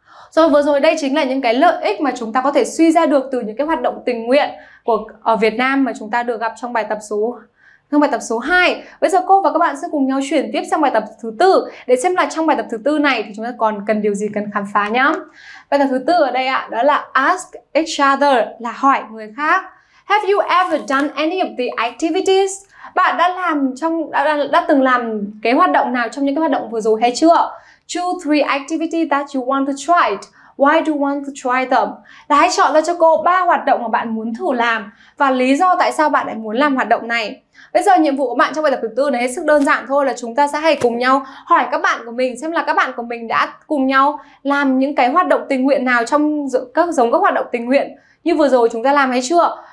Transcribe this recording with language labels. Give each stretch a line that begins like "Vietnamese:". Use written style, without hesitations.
Vietnamese: Rồi vừa rồi đây chính là những cái lợi ích mà chúng ta có thể suy ra được từ những cái hoạt động tình nguyện của ở Việt Nam mà chúng ta được gặp trong bài tập số 2. Bây giờ cô và các bạn sẽ cùng nhau chuyển tiếp sang bài tập thứ 4 để xem là trong bài tập thứ 4 này thì chúng ta còn cần điều gì cần khám phá nhá. Bài tập thứ 4 ở đây ạ, đó là
English: ask each other,
Vietnamese: là hỏi người khác.
English: Have you ever done any of the activities?
Vietnamese: Bạn đã từng làm cái hoạt động nào trong những cái hoạt động vừa rồi hay chưa?
English: 2-3 activities that you want to try it. Why do you want to try them?
Vietnamese: Là hãy chọn ra cho cô 3 hoạt động mà bạn muốn thử làm và lý do tại sao bạn lại muốn làm hoạt động này. Bây giờ nhiệm vụ của bạn trong bài tập thứ 4 này hết sức đơn giản thôi, là chúng ta sẽ hãy cùng nhau hỏi các bạn của mình xem là các bạn của mình đã cùng nhau làm những cái hoạt động tình nguyện nào trong các hoạt động tình nguyện như vừa rồi chúng ta làm hay chưa.